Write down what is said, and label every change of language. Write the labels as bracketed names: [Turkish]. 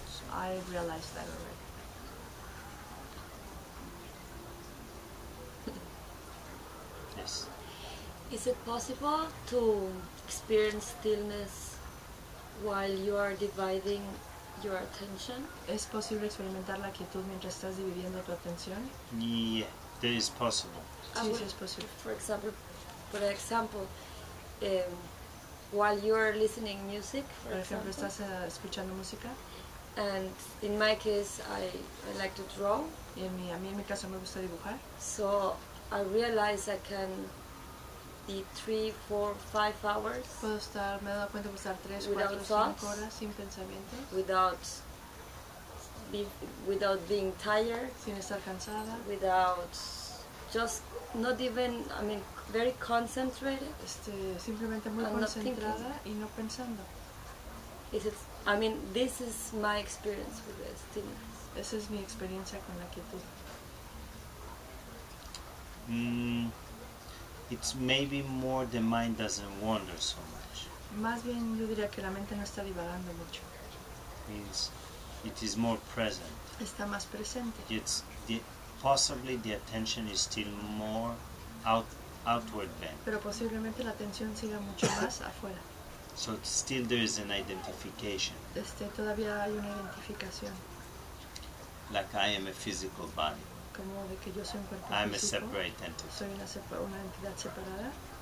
[English] I realized that already. Yes. Is it possible to experience stillness while you are dividing your attention? [Spanish] ¿Es posible experimentar la quietud mientras estás dividiendo tu atención? [English] Yeah, that is possible. [Spanish] Sí, es posible. [English] For example, while you are listening music, [Spanish] por ejemplo, estás escuchando música. [English] And in my case, I like to draw. [Spanish] Y en mi caso me gusta dibujar. [English] So I realize I can be 3, 4, 5 hours. [Spanish] Puedo estar, me he dado cuenta de estar 3, 4, 5 horas sin pensamientos. [English] Without being tired. [Spanish] Sin estar cansada. [English] Without just not even, I mean, very concentrated. [Spanish] Simplemente muy concentrada y no pensando. [English] This is my experience with the stillness. [Spanish] Esa es mi experiencia con la quietud. [English] It's maybe more the mind doesn't wander so much. [Spanish] Más bien yo diría que la mente no está divagando mucho. [English] Means it is more present. [Spanish] Está más presente. [English] It's possibly the attention is still more outward bent. [Spanish] Pero posiblemente la atención siga mucho más afuera. [English] So still there is an identification. [Spanish] Todavía hay una identificación. [English] Like I am a physical body. [Spanish] Como de que yo soy un cuerpo [English] físico. I am a separate entity. [Spanish] Soy una entidad separada.